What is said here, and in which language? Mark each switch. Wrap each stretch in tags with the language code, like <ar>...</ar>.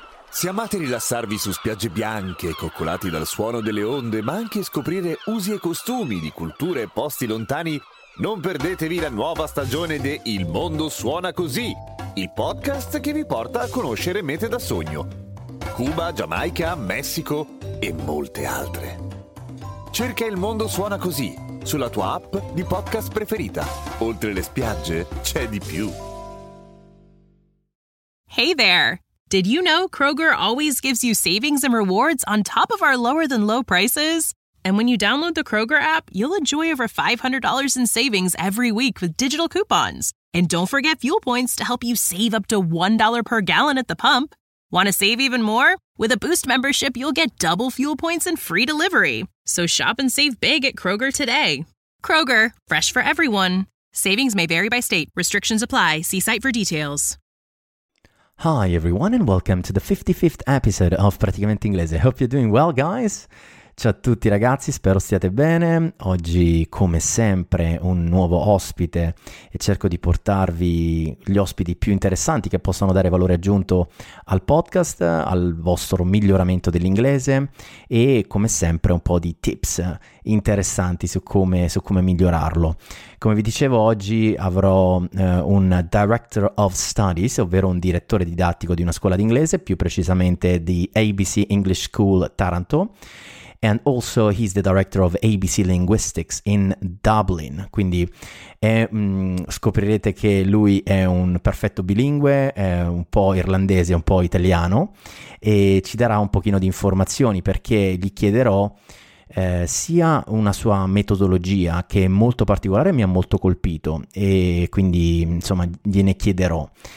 <it>Se amate rilassarvi su spiagge bianche, coccolati dal suono delle onde, ma anche scoprire usi e costumi di culture e posti lontani, non perdetevi la nuova stagione di Il Mondo Suona Così, il podcast che vi porta a conoscere mete da sogno. Cuba, Giamaica, Messico e molte altre. Cerca Il Mondo Suona Così sulla tua app di podcast preferita. Oltre le spiagge, c'è di più.</it> <en>Hey there! Did you know Kroger always gives you savings and rewards on top of our lower than low prices? And when you download the Kroger app, you'll enjoy over $500 in savings every week with digital coupons. And don't forget fuel points to help you save up to $1 per gallon at the pump. Want to save even more? With a Boost membership, you'll get double fuel points and free delivery. So shop and save big at Kroger today. Kroger, fresh for everyone. Savings may vary by state. Restrictions apply. See site for details. Hi everyone and welcome to the 55th episode of Praticamente Inglese. Hope you're doing well, guys.</en> <it>Ciao a tutti ragazzi, spero stiate bene. Oggi, come sempre, un nuovo ospite e cerco di portarvi gli ospiti più interessanti che possano dare valore aggiunto al podcast, al vostro miglioramento dell'inglese e, come sempre, un po' di tips interessanti su come migliorarlo. Come vi dicevo, oggi avrò un Director of Studies, ovvero un direttore didattico di una scuola d'inglese, più precisamente di ABC English School Taranto.</it> <en>And also he's the director of ABC Linguistics in Dublin.</en> <it>Quindi scoprirete che lui è un perfetto bilingue, è un po' irlandese, un po' italiano, e ci darà un pochino di informazioni, perché gli chiederò sia una sua metodologia, che è molto particolare, mi ha molto colpito, e quindi insomma gliene chiederò.</it>